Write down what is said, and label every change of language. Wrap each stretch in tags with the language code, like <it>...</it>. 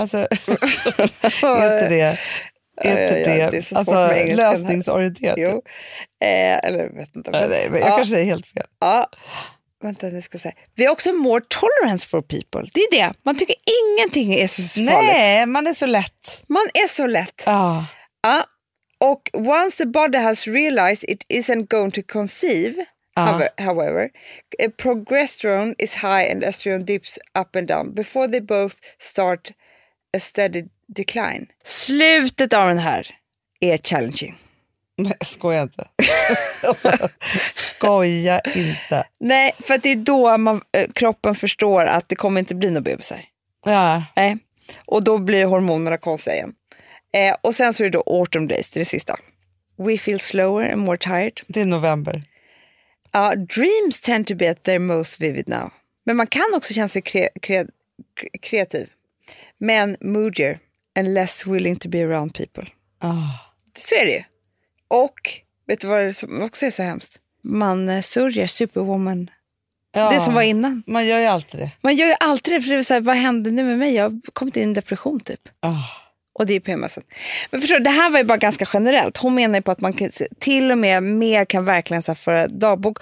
<sv>Alltså, är inte det? Ja, det är alltså, lösningsorienterat. Jo. Eller vet inte. Jag kanske säger helt fel. Ja. Vänta, nu ska jag säga. Vi har också</sv> <en>more tolerance for people.</en> <sv>Det är det. Man tycker ingenting är så farligt. Nej, man är så lätt. Man är så lätt. Ja. Ja.</sv> <en>Och once the body has realized it isn't going to conceive, however, progesterone is high and estrogen dips up and down before they both start a steady decline.</en> <sv>Slutet av den här är challenging. Nej, skoja inte. Skoja inte. Nej, för att det är då man, kroppen förstår att det kommer inte bli något bebisar. Ja. Nej. Och då blir hormonerna konstiga igen. Och sen så är det då</sv> <en>autumn days,</en> <sv>det sista.</sv> <en>We feel slower and more tired.</en> <sv>Det är november.</sv> <en>Dreams tend to be at their most vivid now.</en> <sv>Men man kan också känna sig kreativ.</sv> <en>Men moodier and less willing to be around people.</en> <sv>Så är det ju. Och vet du vad som också är så hemskt? Man sörjer superwoman. Ja, det som var innan. Man gör ju alltid det. Man gör ju alltid det, för det är så här, vad händer nu med mig? Jag har kommit in i en depression typ. Och det är PMSen. Men förstår, det här var ju bara ganska generellt. Hon menar ju på att man kan, till och med mer kan verkligen så här, föra dagbok.</sv>